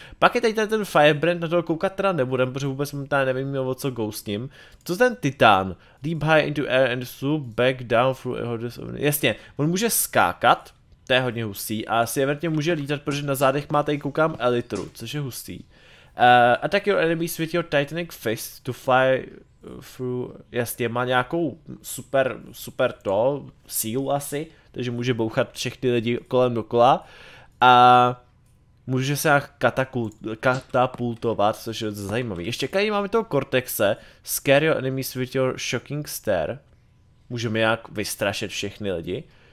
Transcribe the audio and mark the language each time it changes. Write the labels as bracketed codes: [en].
[cs] Pak je tady ten Firebrand, na toho koukat teda nebudem, protože vůbec nevím, o co go s ním. Co ten Titan? [en] Leap high into air and swoop back down through a hold. [cs] Jasně, on může skákat, to je hodně hustý, a severně může lítat, protože na zádech má tady koukám elitru, což je hustý. [en] Attack your enemies with your titanic fist to fly... [cs] jasně, má nějakou super to, sílu asi, takže může bouchat všechny lidi kolem dokola a může se nějak katapultovat, což je zajímavý. Ještě tady máme toho Cortexe, [en] scare your enemies with your shocking stare, [cs] můžeme nějak vystrašit všechny lidi.